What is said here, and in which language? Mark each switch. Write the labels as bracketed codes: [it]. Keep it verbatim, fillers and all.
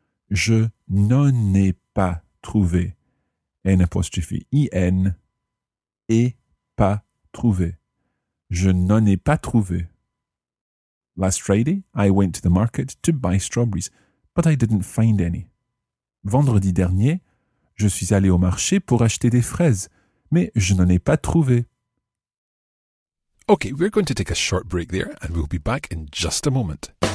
[fr] Je n'en ai pas trouvé. N apostrophe I-N et pas trouvé. Je n'en ai pas trouvé. [en] Last Friday, I went to the market to buy strawberries, but I didn't find any. [fr] Vendredi dernier, je suis allé au marché pour acheter des fraises, mais je n'en ai pas trouvé. [en] Okay, we're going to take a short break there, and we'll be back in just a moment.